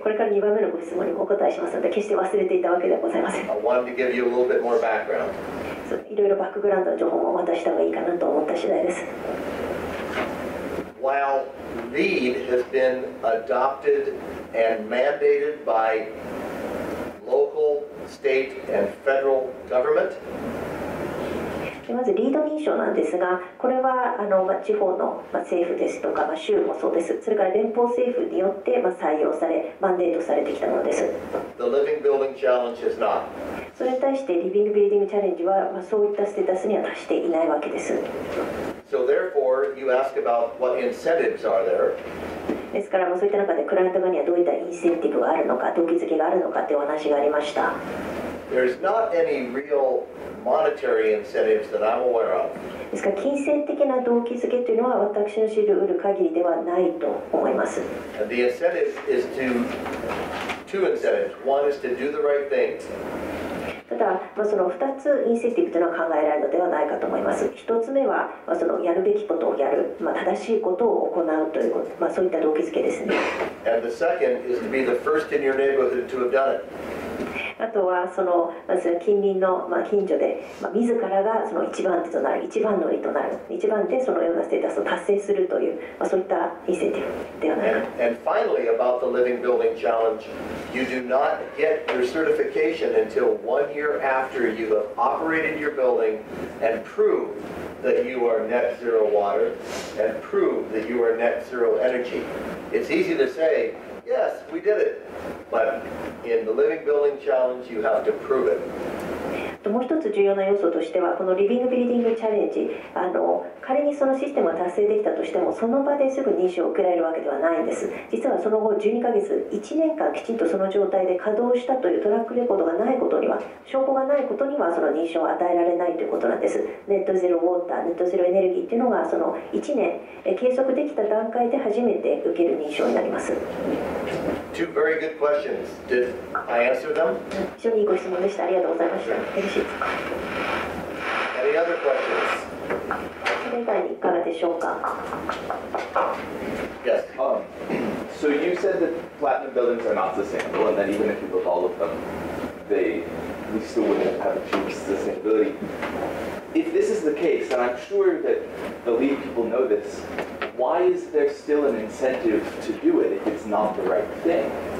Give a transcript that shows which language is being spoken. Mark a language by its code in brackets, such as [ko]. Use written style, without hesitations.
[ja] これから2番目のご質問にもお答えしますので、決して忘れていたわけではございません。 [en] I wanted to give you a little bit more background. [ja] いろいろバックグラウンドの情報も渡した方がいいかなと思った次第です。 [en] While LEED has been adopted and mandated by local, state, and federal government, [ja] まず LEED 認証なんですが、これは地方の政府ですとか州もそうです。それから連邦政府によって採用され、マンデートされてきたものです。 [en] The Living Building Challenge is not. [ja] それに対してリビングビルディングチャレンジは、そういったステータスには達していないわけです。 [en] So therefore, you ask about what incentives are there. [ja] ですから、そういった中でクライアント側にはどういったインセンティブがあるのか、動機づけがあるのかというお話がありました。 [en] There's not any real monetary incentives that I'm aware of. [ja] ですから、金銭的な動機づけというのは私の知る限りではないと思います。 [en] And the incentive is to... two incentives. One is to do the right thing. [ja] ただ、その2つインセンティブというのは考えられるのではないかと思います。 1つ目は、そのやるべきことをやる、正しいことを行うということ、そういった動機づけですね。 [en] And the second is to be the first in your neighborhood to have done it. [ja] あとはその、近隣の、近所で、自らがその一番手となる、一番乗りとなる、一番でそのようなステータスを達成するという、そういったインセンティブではないか。 [en] And finally, about the Living Building Challenge, you do not get your certification until one year after you have operated your building and proved that you are net zero water and proved that you are net zero energy. It's easy to say,Yes, we did it. But in the Living Building Challenge, you have to prove it. [ja] もう一つ重要な要素としては、このリビングビルディングチャレンジ、仮にそのシステムが達成できたとしても、その場ですぐ認証を受けられるわけではないんです。実はその後12ヶ月1年間きちんとその状態で稼働したというトラックレコードがないことには、証拠がないことにはその認証を与えられないということなんです。ネットゼロウォーター、ネットゼロエネルギーっていうのが、その1年計測できた段階で初めて受ける認証になります。 [en] Two very good questions. Did I answer them? [ja] 非常にいいご質問でした。ありがとうございました。 [en] Any other questions? [ja] それ以外にいかがでしょうか? [en] Yes. So you said that platinum buildings are not sustainable, and that even if you built all of them, we still wouldn't have achieved sustainability. If this is the case, and I'm sure that the LEED people know this, why is there still an incentive to do it if it's not the right thing?